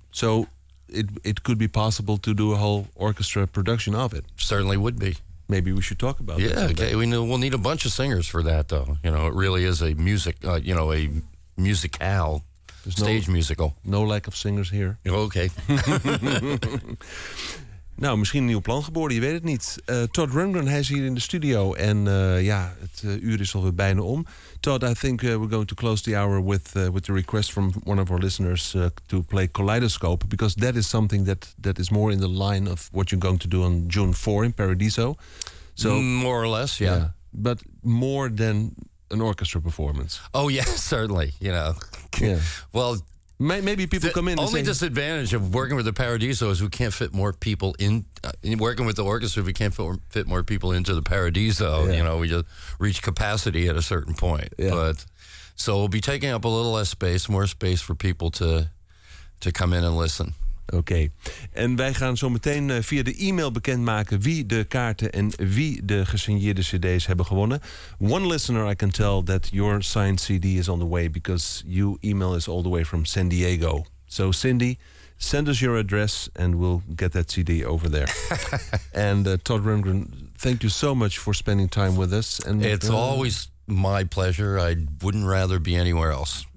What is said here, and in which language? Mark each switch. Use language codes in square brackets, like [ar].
[en] So it could be possible to do a whole orchestra production of it? Certainly would be. Maybe we should talk about that. Yeah, okay. We'll need a bunch of singers for that, though. You know, it really is a music, a musicale. Musical. No lack of singers here. Okay. [nl] Nou, misschien een nieuw plan geboren, je weet het niet. Todd Rundgren, hij is hier in de studio. En het uur is alweer bijna om. [en] Todd, I think we're going to close the hour with the request from one of our listeners to play Kaleidoscope, because that is something that is more in the line of what you're going to do on June 4 in Paradiso. So more or less, yeah. But more than an orchestra performance. Oh, yeah, certainly, you know. Yeah. Well, maybe people come in. The only say, disadvantage of working with the Paradiso is we can't fit more people in. Working with the orchestra, we can't fit more people into the Paradiso. Yeah. You know, we just reach capacity at a certain point. Yeah. But so we'll be taking up a little less space, more space for people to come in and listen. Okay. [nl] En wij gaan zo meteen via de e-mail bekendmaken wie de kaarten en wie de gesigneerde cd's hebben gewonnen. [en] One listener, I can tell that your signed cd is on the way, because you email us all the way from San Diego. So Cindy, send us your address and we'll get that cd over there. And Todd Rundgren, thank you so much for spending time with us. And it's always my pleasure. I wouldn't rather be anywhere else.